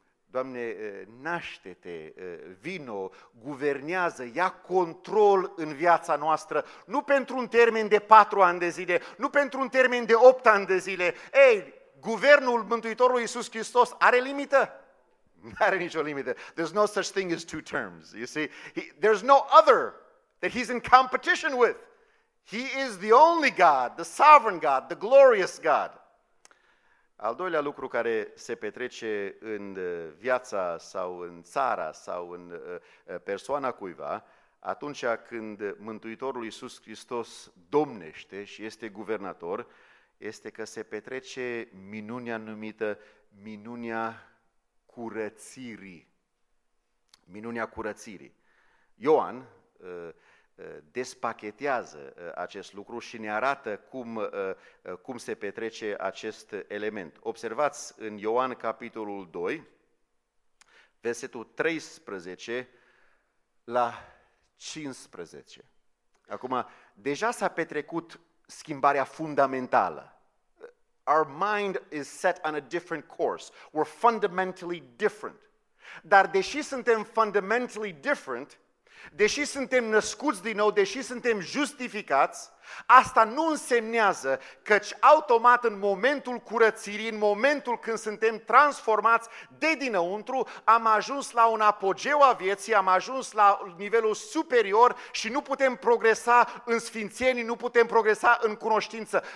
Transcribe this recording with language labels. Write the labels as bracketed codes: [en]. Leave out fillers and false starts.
[ro] Doamne, naște-te, vino, guvernează, ia control în viața noastră, nu pentru un termen de 4 ani de zile, nu pentru un termen de 8 ani de zile, ei, Guvernul Mântuitorului Iisus Hristos are limită? Nu are nicio limită. [en] There's no such thing as 2 terms. You see, there's no other that he's in competition with. He is the only God, the sovereign God, the glorious God. [ro] Al doilea lucru care se petrece în viața sau în țara sau în persoana cuiva, atunci când Mântuitorul Iisus Hristos domnește și este guvernator, este că se petrece minunea numită minunea curățirii. Minunea curățirii. Ioan despachetează acest lucru și ne arată cum se petrece acest element. Observați în Ioan capitolul 2, versetul 13 la 15. Acum, deja s-a petrecut schimbarea fundamentală. [en] Our mind is set on a different course. We're fundamentally different. [ro] Dar deși suntem [en] fundamentally different, [ro] deși suntem născuți din nou, deși suntem justificați, asta nu însemnează căci automat în momentul curățirii, în momentul când suntem transformați de dinăuntru, am ajuns la un apogeu a vieții, am ajuns la nivelul superior și nu putem progresa în sfințenie, nu putem progresa în cunoștință.